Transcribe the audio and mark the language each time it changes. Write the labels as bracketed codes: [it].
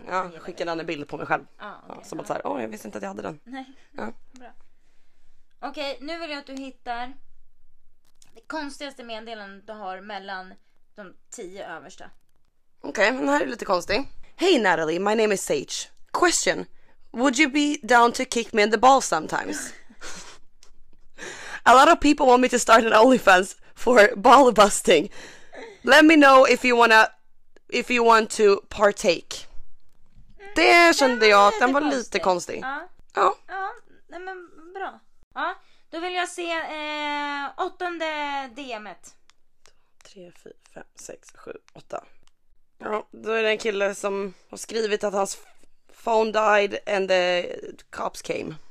[sv] ja, skicka den en bild på mig själv. [en] Ah, okay, [sv] ja, som att säga, jag visste inte att jag hade den. Nej. Ja. Bra. Okej, nu vill jag att du hittar det konstigaste meddelandet du har mellan de 10 översta. Okej, den här är lite konstig. [en] Hey Natalie, my name is Sage. Question: would you be down to kick me in the balls sometimes? A lot of people want me to start an OnlyFans for ball busting. Let me know if you want to partake. [sv] Det kände jag att den var lite konstig. Ja. Ja. Ja, men bra. Ja, då vill jag se 8:e DM:et. 3 4 5 6 7 8. Ja, då är det en kille som har skrivit att hans [en] phone died and the cops came.